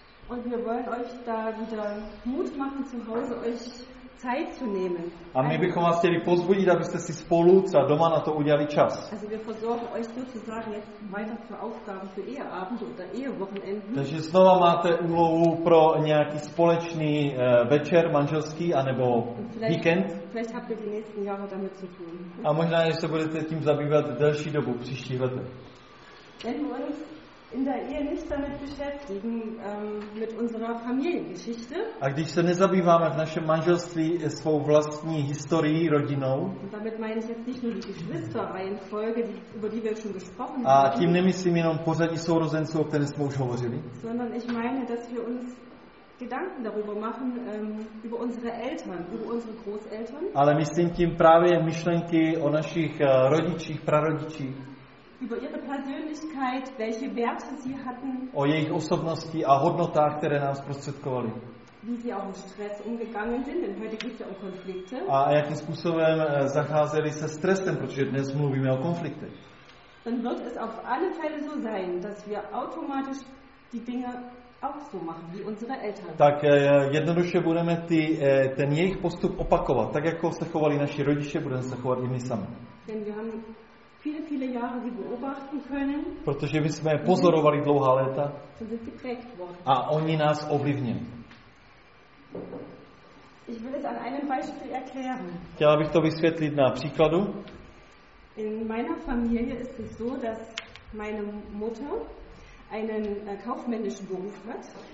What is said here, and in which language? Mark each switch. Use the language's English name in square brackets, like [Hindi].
[German] Und wir wollen euch da wieder Mut machen zu Hause euch Zeit zu nehmen. [Czech] A my bychom vás chtěli pozbudit, abyste si spolu třeba doma na to udělali čas. [German] Also wir versorgen euch sozusagen jetzt weiter für Aufgaben für Eheabende oder Ehewochenenden. [Czech] Takže znova máte úlohu pro nějaký společný večer manželský anebo víkend. [German] Vielleicht habt ihr die nächsten Jahre damit zu tun. [Czech] A možná, že se budete tím zabývat delší dobu příští leta. [German] Wenn wir uns in der Ehe nicht damit beschäftigen mit unserer Familiengeschichte. [Czech] A když se nezabýváme v našem manželství svou vlastní historií rodinou. [German] Damit meine ich jetzt nicht nur die Geschwisterreihenfolge, über die wir schon gesprochen haben. [Czech] A tím nemyslím jenom pořadí sourozenců, o kterém jsme už hovořili. [German] Sondern ich meine, dass wir uns Gedanken darüber machen über unsere Eltern, über unsere Großeltern. [Czech] Ale myslím tím právě myšlenky o našich rodičích, prarodičích. [German] Über ihre Persönlichkeit, welche Werte sie hatten. [Czech] O jejich osobnosti a hodnotách, které nám zprostředkovali. [German] Wie sie auch mit Stress umgegangen sind, denn heute geht es ja um Konflikte. [Czech] A jakým způsobem zacházeli se stresem, protože dnes mluvíme o konfliktech. [German] Dann wird es auf alle Fälle so sein, dass wir automatisch die Dinge auch so machen wie unsere Eltern. [Czech] Tak jednoduše budeme ten jejich postup opakovat, tak jako se chovali naši rodiče, budeme se chovat i my sami. [German] Denn wir haben viele, viele Jahre sie beobachten können. [Czech] Protože my jsme pozorovali dlouhá léta. A oni nás ovlivnili. [German] Ich will es an einem Beispiel erklären. [Czech] Chtěla bych to vysvětlit na příkladu. [German] In meiner Familie ist es so, dass meine Mutter einen kaufmännischen Beruf hat.